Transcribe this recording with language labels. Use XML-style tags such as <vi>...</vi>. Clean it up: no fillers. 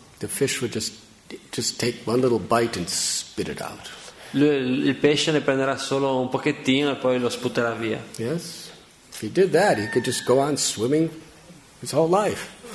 <en>the fish would just take one little bite and spit it out.</en> <it>Il pesce ne prenderà solo un pochettino e poi lo sputerà via.</it> <en>Yes, if he did that, he could just go on swimming his whole life.</en>